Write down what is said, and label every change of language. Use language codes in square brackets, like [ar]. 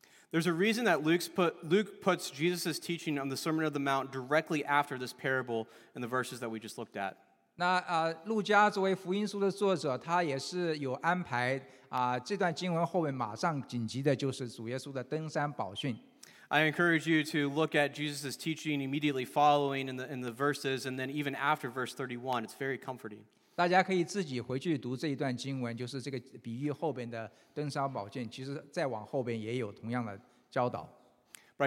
[en] There's a reason that Luke puts Jesus' teaching on the Sermon of the Mount directly after this parable in the verses that we just looked at. [zh] 那路加作为福音书的作者，他也是有安排这段经文后面马上紧急的就是主耶稣的登山宝训。 [en] I encourage you to look at Jesus' teaching immediately following in the verses, and then even after verse 31, it's very comforting. [zh] 大家可以自己回去读这一段经文，就是这个比喻后边的登山宝训，其实再往后边也有同样的教导。 [en] But